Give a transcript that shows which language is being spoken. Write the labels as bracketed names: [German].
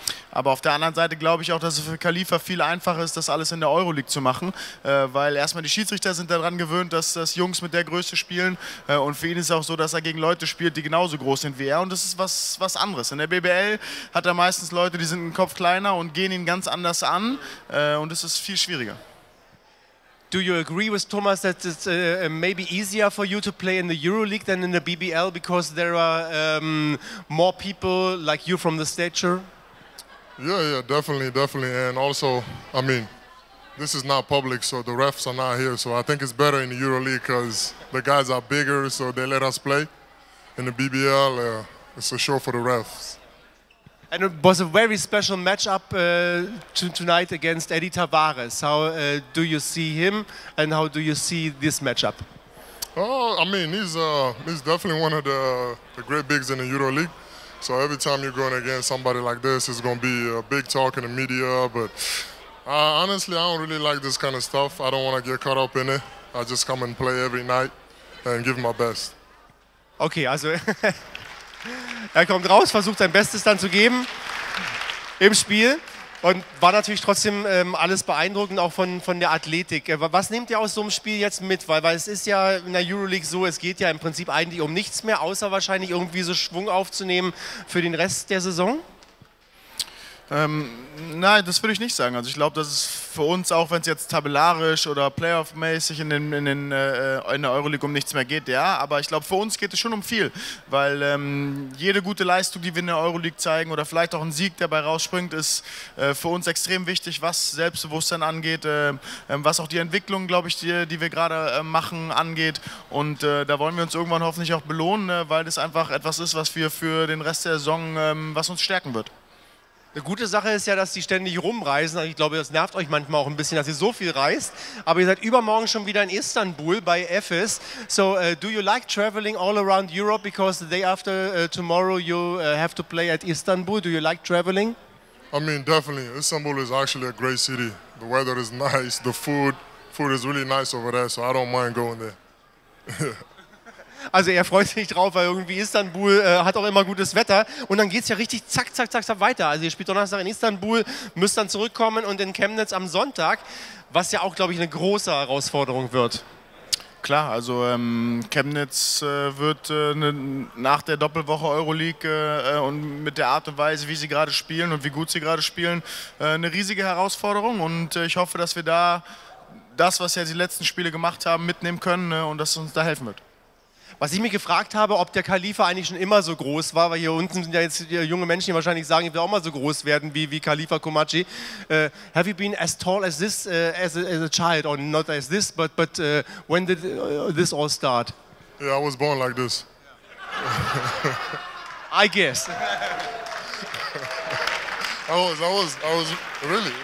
[German] Aber auf der anderen Seite glaube ich auch, dass es für Khalifa viel einfacher ist, das alles in der Euroleague zu machen. Weil erstmal die Schiedsrichter sind daran gewöhnt, dass Jungs mit der Größe spielen. Und für ihn ist es auch so, dass er gegen Leute spielt, die genauso groß sind wie er. Und das ist was anderes. In der BBL hat er meistens Leute, die sind einen Kopf kleiner und gehen ihn ganz anders an. Und das ist viel schwieriger. [English] Do you agree with Thomas that it's maybe easier for you to play in the EuroLeague than in the BBL because there are more people like you from the stature? Yeah, definitely. And also, I mean, this is not public, so the refs are not here. So I think it's better in the EuroLeague because the guys are bigger, so they let us play. In the BBL, it's a show for the refs. And it was a very special matchup tonight against Eddie Tavares. How do you see him and how do you see this matchup? He's definitely one of the great bigs in the EuroLeague. So every time you're going against somebody like this, it's going to be a big talk in the media. But honestly, I don't really like this kind of stuff. I don't want to get caught up in it. I just come and play every night and give my best. Okay, also... [German] Er kommt raus, versucht sein Bestes dann zu geben im Spiel und war natürlich trotzdem alles beeindruckend, auch von der Athletik. Was nehmt ihr aus so einem Spiel jetzt mit? Weil es ist ja in der EuroLeague so, es geht ja im Prinzip eigentlich um nichts mehr, außer wahrscheinlich irgendwie so Schwung aufzunehmen für den Rest der Saison. Nein, das würde ich nicht sagen. Also ich glaube, das ist für uns, auch wenn es jetzt tabellarisch oder Playoff-mäßig in der Euroleague um nichts mehr geht, ja. Aber ich glaube, für uns geht es schon um viel, weil jede gute Leistung, die wir in der Euroleague zeigen oder vielleicht auch ein Sieg, der dabei rausspringt, ist für uns extrem wichtig, was Selbstbewusstsein angeht, was auch die Entwicklung, glaube ich, die wir gerade machen, angeht. Und da wollen wir uns irgendwann hoffentlich auch belohnen, weil das einfach etwas ist, was wir für den Rest der Saison, was uns stärken wird. Eine gute Sache ist ja, dass die ständig rumreisen. Ich glaube, das nervt euch manchmal auch ein bisschen, dass ihr so viel reist. Aber ihr seid übermorgen schon wieder in Istanbul bei Efes. [English] So, do you like traveling all around Europe? Because the day after tomorrow you have to play at Istanbul. Do you like traveling? I mean, definitely. Istanbul is actually a great city. The weather is nice. The food is really nice over there. So I don't mind going there. [German] Also er freut sich drauf, weil irgendwie Istanbul hat auch immer gutes Wetter. Und dann geht es ja richtig zack, zack, zack, zack weiter. Also ihr spielt Donnerstag in Istanbul, müsst dann zurückkommen und in Chemnitz am Sonntag, was ja auch, glaube ich, eine große Herausforderung wird. Klar, also Chemnitz wird nach der Doppelwoche Euroleague und mit der Art und Weise, wie sie gerade spielen und wie gut sie gerade spielen, eine riesige Herausforderung. Und ich hoffe, dass wir da das, was ja die letzten Spiele gemacht haben, mitnehmen können und dass es uns da helfen wird. Was ich mich gefragt habe, ob der Khalifa eigentlich schon immer so groß war, weil hier unten sind ja jetzt junge Menschen, die wahrscheinlich sagen, ich will auch mal so groß werden wie Khalifa Komachi. [English] Have you been as tall as this as a child, or not as this, but when did this all start? Yeah, I was born like this. I guess. I was really.